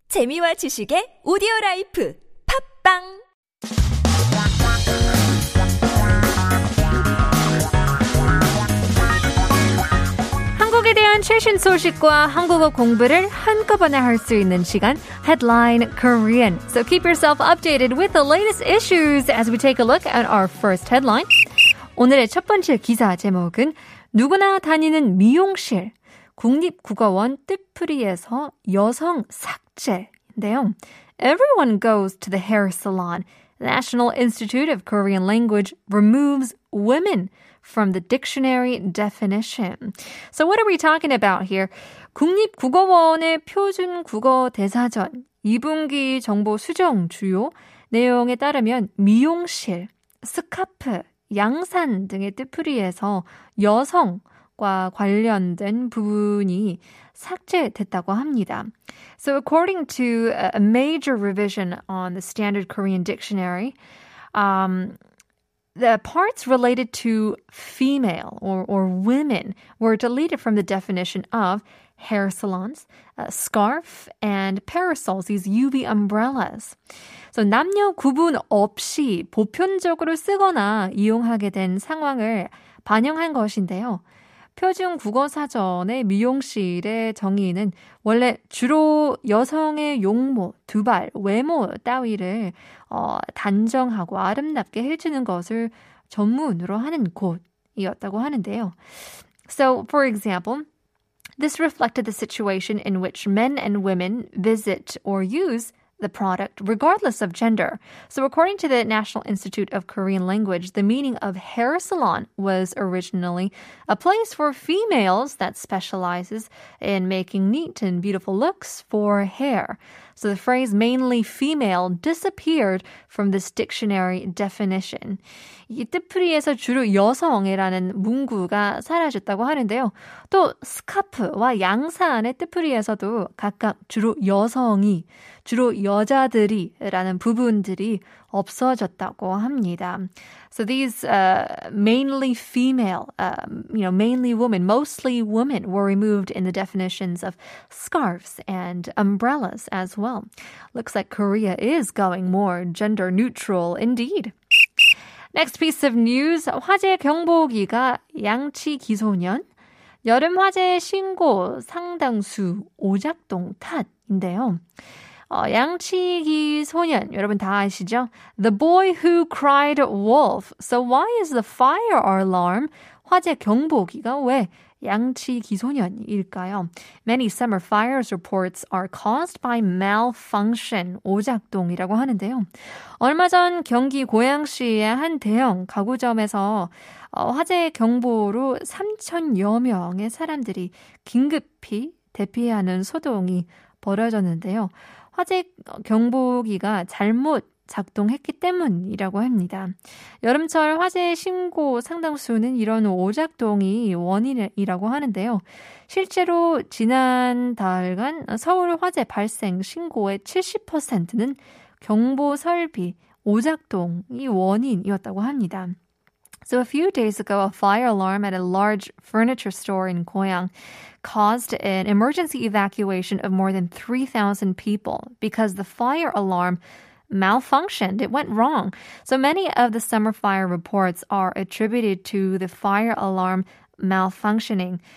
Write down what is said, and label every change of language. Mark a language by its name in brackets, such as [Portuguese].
[Korean] 재미와 지식의 오디오 라이프. 팟빵! 한국에 대한 최신 소식과 한국어 공부를 한꺼번에 할 수 있는 시간, Headline Korean. [English] So keep yourself updated with the latest issues as we take a look at our first headline. [Korean] 오늘의 첫 번째 기사 제목은 누구나 다니는 미용실, 국립국어원 뜻풀이에서 여성 삭제인데요. [English] Everyone goes to the hair salon. National Institute of Korean Language removes women from the dictionary definition. So what are we talking about here? [Korean] 국립국어원의 표준국어대사전 2분기 정보 수정 주요 내용에 따르면 미용실, 스카프, 양산 등의 뜻풀이에서 여성과 관련된 부분이 삭제됐다고 합니다. [English] So according to a major revision on the Standard Korean Dictionary, the parts related to female or women were deleted from the definition of hair salons, scarf, and parasols, these UV umbrellas. [Korean] So 남녀 구분 없이 보편적으로 쓰거나 이용하게 된 상황을 반영한 것인데요. 표준 국어사전의 미용실의 정의는 원래 주로 여성의 용모, 두발, 외모 따위를 단정하고 아름답게 해주는 것을 전문으로 하는 곳이었다고 하는데요. [English] So, for example, this reflected the situation in which men and women visit or use the product regardless of gender. So according to the National Institute of Korean Language, the meaning of hair salon was originally a place for females that specializes in making neat and beautiful looks for hair. So the phrase mainly female disappeared from this dictionary definition. [Korean] 이 뜻풀이에서 주로 여성이라는 문구가 사라졌다고 하는데요. 또 스카프와 양산의 뜻풀이에서도 각각 주로 여성이 주로 여자들이라는 부분들이 없어졌다고 합니다. [English] So these mainly female, mainly women, mostly women were removed in the definitions of scarves and umbrellas as well. Looks like Korea is going more gender neutral indeed. Next piece of news, [Korean] 화재 경보기가 양치 기소년, 여름 화재 신고 상당수 오작동 탓인데요. 양치기 소년, 여러분 다 아시죠? [English] The boy who cried wolf. So why is the fire alarm [Korean] 화재 경보기가 왜 양치기 소년일까요? [English] Many summer fires reports are caused by malfunction, [Korean] 오작동이라고 하는데요. 얼마 전 경기 고양시의 한 대형 가구점에서 화재 경보로 3천여 명의 사람들이 긴급히 대피하는 소동이 벌어졌는데요. 화재 경보기가 잘못 작동했기 때문이라고 합니다. 여름철 화재 신고 상당수는 이런 오작동이 원인이라고 하는데요. 실제로 지난달간 서울 화재 발생 신고의 70%는 경보 설비 오작동이 원인이었다고 합니다. [English] So a few days ago, a fire alarm at a large furniture store in Goyang caused an emergency evacuation of more than 3,000 people because the fire alarm malfunctioned. It went wrong. So many of the summer fire reports are attributed to the fire alarm malfunctioning.